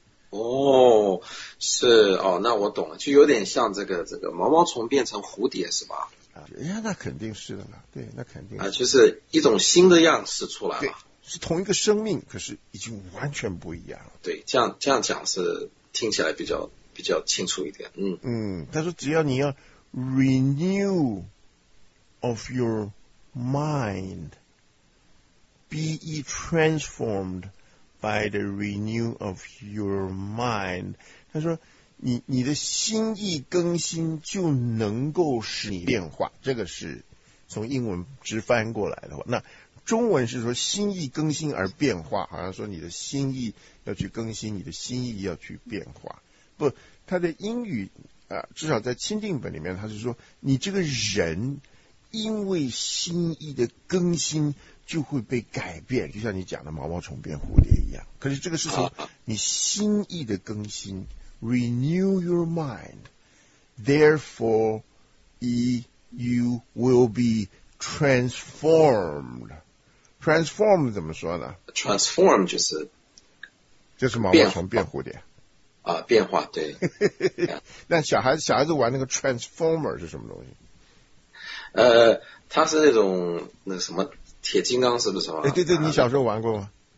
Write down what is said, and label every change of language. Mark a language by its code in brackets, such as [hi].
[zh] 哦，是哦，那我懂了，就有点像这个毛毛虫变成蝴蝶是吧？啊，哎呀，那肯定是的了，对，那肯定是啊，就是一种新的样式出来了，对，是同一个生命，可是已经完全不一样了。对，这样讲是听起来比较清楚一点。嗯嗯，他说只要你要 [en] renew of your mind， be transformed。 By the renew of your mind， [zh] 他说你的心意更新就能够使你变化。这个是从英文直翻过来的话，那中文是说心意更新而变化，好像说你的心意要去更新，你的心意要去变化。不，他的英语啊，至少在钦定本里面，他是说你这个人因为心意的更新就会被改变，就像你讲的毛毛虫变蝴蝶一样。可是这个是从你心意的更新 [en] renew your mind， therefore you will be transformed。 [zh] transform 怎么说呢？ transform 就是就就是毛毛虫变蝴蝶啊，变化对。那小孩子玩那个 Transformer 是什么东西？它是那种那什么铁金刚是不是吗？哎，对对，你小时候玩过吗？